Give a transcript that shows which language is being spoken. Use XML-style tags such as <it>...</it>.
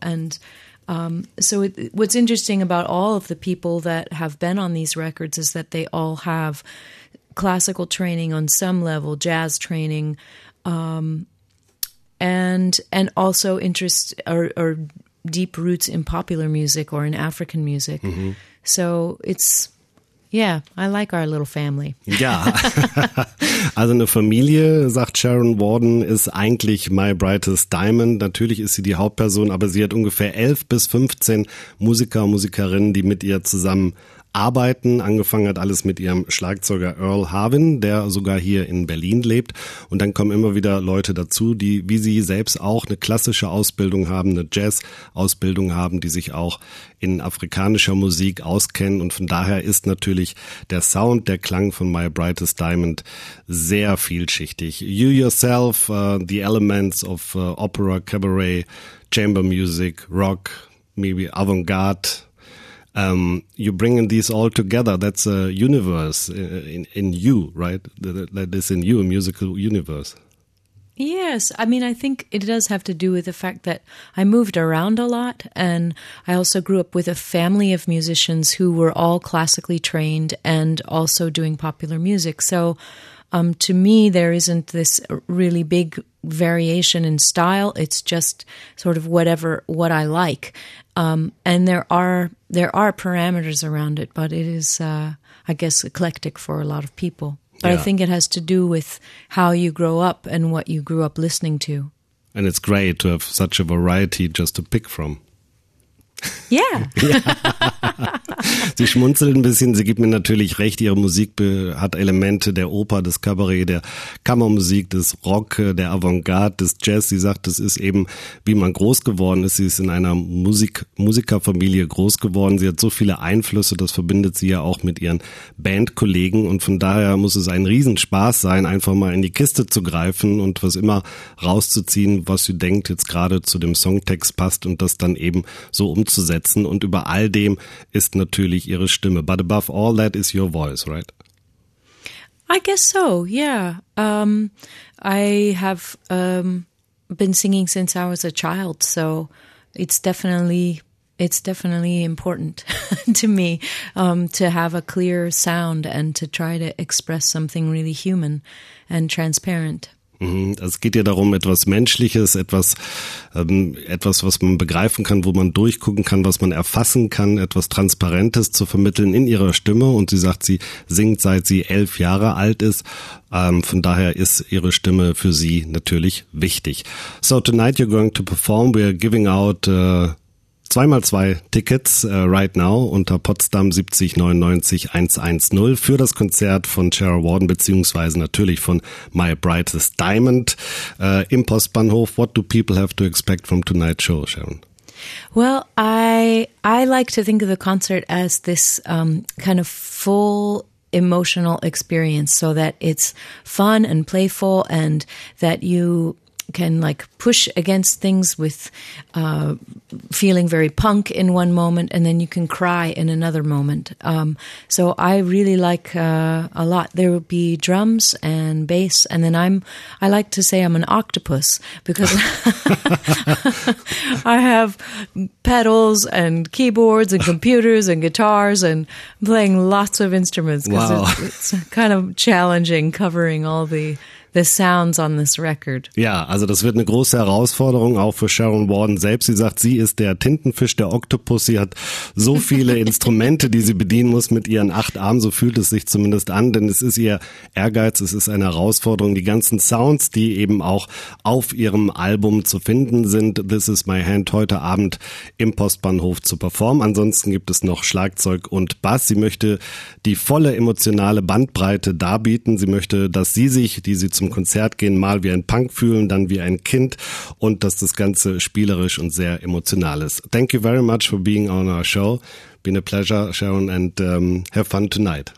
<en>And what's interesting about all of the people that have been on these records is that they all have classical training on some level, jazz training, and also interest or deep roots in popular music or in African music. Mm-hmm. So it's... Yeah, I like our little family.</en> <de>Ja, also eine Familie, sagt Sharon Burden, ist eigentlich My Brightest Diamond. Natürlich ist sie die Hauptperson, aber sie hat ungefähr 11 bis 15 Musiker und Musikerinnen, die mit ihr zusammen arbeiten. Angefangen hat alles mit ihrem Schlagzeuger Earl Harvin, der sogar hier in Berlin lebt. Und dann kommen immer wieder Leute dazu, die wie sie selbst auch eine klassische Ausbildung haben, eine Jazz-Ausbildung haben, die sich auch in afrikanischer Musik auskennen. Und von daher ist natürlich der Sound, der Klang von My Brightest Diamond sehr vielschichtig.</de> <en>You yourself, the elements of opera, cabaret, chamber music, rock, maybe avant-garde. You bring in these all together. That's a universe in you, right? That is in you, a musical universe. Yes. I mean, I think it does have to do with the fact that I moved around a lot. And I also grew up with a family of musicians who were all classically trained and also doing popular music. So to me, there isn't this really big variation in style. It's just sort of whatever, what I like. And there are parameters around it, but it is, I guess, eclectic for a lot of people. But yeah. I think it has to do with how you grow up and what you grew up listening to. And it's great to have such a variety just to pick from. Yeah.</en> <de>Ja. Sie schmunzelt ein bisschen, sie gibt mir natürlich recht, ihre Musik hat Elemente der Oper, des Kabarett, der Kammermusik, des Rock, der Avantgarde, des Jazz. Sie sagt, es ist eben, wie man groß geworden ist, sie ist in einer Musikerfamilie groß geworden, sie hat so viele Einflüsse, das verbindet sie ja auch mit ihren Bandkollegen und von daher muss es ein Riesenspaß sein, einfach mal in die Kiste zu greifen und was immer rauszuziehen, was sie denkt, jetzt gerade zu dem Songtext passt und das dann eben so umzusetzen. Und über all dem ist natürlich ihre Stimme.</de> <en>But above all that is your voice, right? I guess so, yeah. I have been singing since I was a child, so it's definitely important to me to have a clear sound and to try to express something really human and transparent.</en> <de>Es geht ja darum, etwas Menschliches, etwas, was man begreifen kann, wo man durchgucken kann, was man erfassen kann, etwas Transparentes zu vermitteln in ihrer Stimme. Und sie sagt, sie singt, seit sie 11 Jahre alt ist. Von daher ist ihre Stimme für sie natürlich wichtig.</de> <en>So tonight you're going to perform. We are giving out 2x2 Tickets right now</en> <de>unter Potsdam 7099110 für das Konzert von Cheryl Warden beziehungsweise natürlich von My Brightest Diamond im Postbahnhof.</de> <en>What do people have to expect from tonight's show, Sharon? Well, I like to think of the concert as this kind of full emotional experience, so that it's fun and playful and that you can like push against things with feeling very punk in one moment and then you can cry in another moment. So I really like a lot. There will be drums and bass, and then I like to say I'm an octopus because I have pedals and keyboards and computers and guitars and I'm playing lots of instruments because wow. It's kind of challenging covering all the sounds on this record.</en> <de>Ja, also das wird eine große Herausforderung auch für Sharon Warden selbst. Sie sagt, sie ist der Tintenfisch, der Oktopus. Sie hat so viele Instrumente, die sie bedienen muss mit ihren 8 Armen. So fühlt es sich zumindest an, denn es ist ihr Ehrgeiz, es ist eine Herausforderung. Die ganzen Sounds, die eben auch auf ihrem Album zu finden sind, This Is My Hand, heute Abend im Postbahnhof zu performen. Ansonsten gibt es noch Schlagzeug und Bass. Sie möchte die volle emotionale Bandbreite darbieten. Sie möchte, dass sie sich diese zum Konzert gehen, mal wie ein Punk fühlen, dann wie ein Kind und dass das Ganze spielerisch und sehr emotional ist.</de> <en>Thank you very much for being on our show. Been a pleasure, Sharon, and have fun tonight.</en>